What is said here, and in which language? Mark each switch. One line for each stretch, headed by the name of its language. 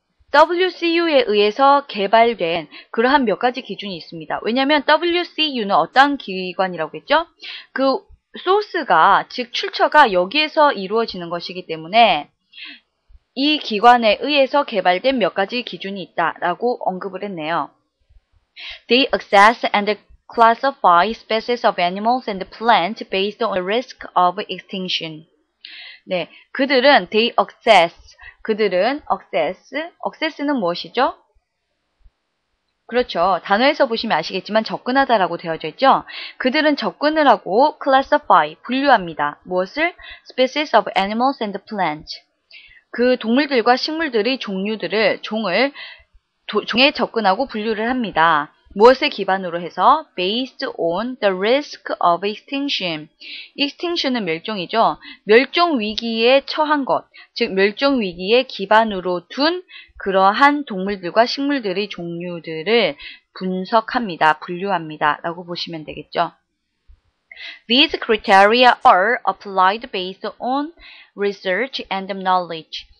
Korean: WCU에 의해서 개발된 그러한 몇 가지 기준이 있습니다. 왜냐하면 WCU는 어떤 기관이라고 했죠? 그 소스가, 즉 출처가 여기에서 이루어지는 것이기 때문에 이 기관에 의해서 개발된 몇 가지 기준이 있다라고 언급을 했네요.
English: They assess and classify species of animals and plants based on the risk of extinction.
Korean: 네, 그들은
English: they assess.
Korean: 그들은 assess는 무엇이죠? 그렇죠. 단어에서 보시면 아시겠지만 접근하다라고 되어져 있죠. 그들은 접근을 하고 classify 분류합니다. 무엇을?
English: Species of animals and plants.
Korean: 그 동물들과 식물들의 종에 접근하고 분류를 합니다. 무엇을 기반으로 해서?
English: Based on the risk of extinction.
Korean: Extinction은 멸종이죠. 멸종 위기에 처한 것, 즉 멸종 위기에 기반으로 둔 그러한 동물들과 식물들의 종류들을 분석합니다. 분류합니다. 라고 보시면 되겠죠.
English: These criteria are applied based on research and knowledge.